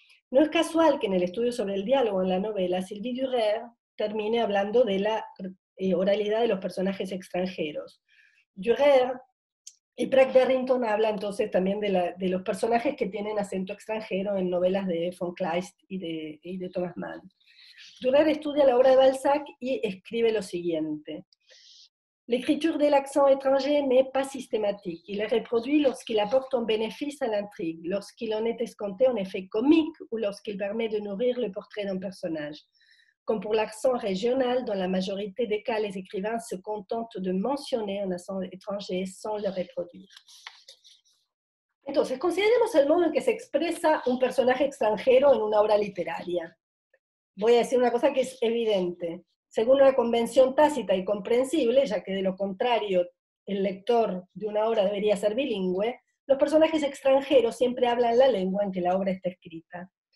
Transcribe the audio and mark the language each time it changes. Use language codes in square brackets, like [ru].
[es] No es casual que en el estudio sobre el diálogo en la novela, Sylvie Durer termine hablando de la oralidad de los personajes extranjeros. Durer y Prague Darrington habla entonces también de los personajes que tienen acento extranjero en novelas de von Kleist y de Thomas Mann. Durer estudia la obra de Balzac y escribe lo siguiente. [fr] L'écriture de l'accent étranger n'est pas systématique. Il est reproduit lorsqu'il apporte un bénéfice à l'intrigue, lorsqu'il en est escompté un effet comique ou lorsqu'il permet de nourrir le portrait d'un personnage. Comme pour l'accent régional, dans la majorité des cas, les écrivains se contentent de mentionner un accent étranger sans le reproduire. [es] Entonces, consideremos el modo en que se expresa un personaje extranjero en una obra literaria. Voy a decir una cosa que es evidente. Según una convención tácita y comprensible, ya que de lo contrario el lector de una obra debería ser bilingüe, los personajes extranjeros siempre hablan la lengua en que la obra está escrita.